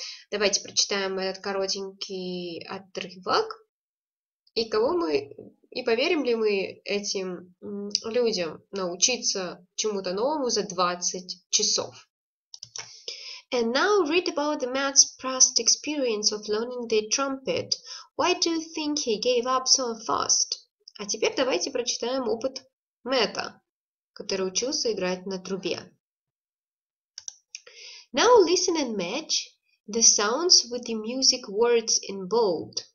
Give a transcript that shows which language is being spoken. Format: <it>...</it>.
<ru>Давайте прочитаем этот коротенький отрывок. И кого мы, и поверим ли мы этим людям научиться чему-то новому за 20 часов?</ru> <en>And now read about the man's past experience of learning the trumpet. Why do you think he gave up so fast?</en> <ru>А теперь давайте прочитаем опыт Мэтта, который учился играть на трубе.</ru> <en>Now listen and match the sounds with the music words in bold.</en>